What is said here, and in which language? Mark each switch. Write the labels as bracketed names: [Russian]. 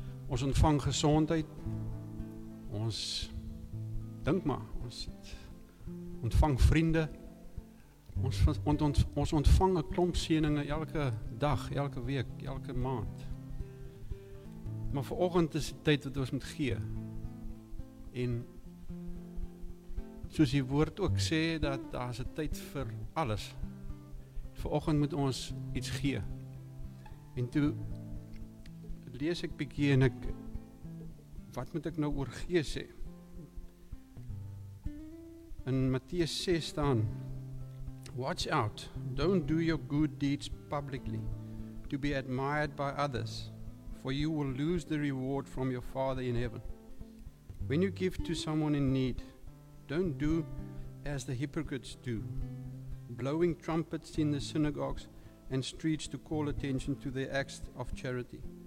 [Afrikaans] Ons ontvang gezondheid, ons, dink maar, ons ontvang vriende, Ons ontvang 'n klomp seëninge elke dag, elke week, elke maand. Maar vanoggend is die tyd wat ons moet gee. En soos die woord ook sê, dat daar is 'n tyd vir alles. Vanoggend moet ons iets gee. En toe lees ek bietjie en ek, wat moet ek nou oor gee sê? In Matteus 6 staan, [English] watch out, don't do your good deeds publicly, to be admired by others, for you will lose the reward from your Father in heaven. When you give to someone in need, don't do as the hypocrites do, blowing trumpets in the synagogues and streets to call attention to their acts of charity.